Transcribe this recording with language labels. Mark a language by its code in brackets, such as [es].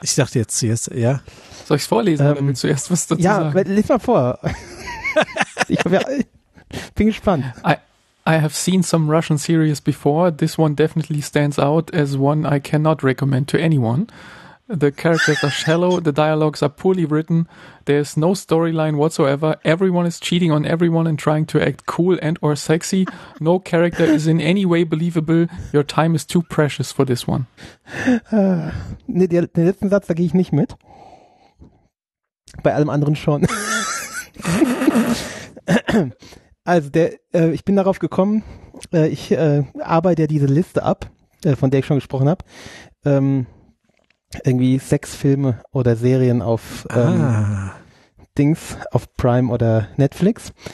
[de] Ich dachte jetzt zuerst, ja. Soll ich es vorlesen, wenn du zuerst was dazu sagen? Ja, lies mal vor. Ich hab ja, bin gespannt. [en] I have seen some Russian series before. This one definitely stands out as one I cannot recommend to anyone. The characters are shallow, the dialogues are poorly written, there's no storyline whatsoever, everyone is cheating on everyone and trying to act cool and or sexy, no character is in any way believable, your time is too precious for this one. [de] Den letzten Satz, da gehe ich nicht mit. Bei allem anderen schon. Also, ich bin darauf gekommen, ich arbeite ja diese Liste ab, von der ich schon gesprochen habe, irgendwie sechs Filme oder Serien auf Dings, auf Prime oder Netflix.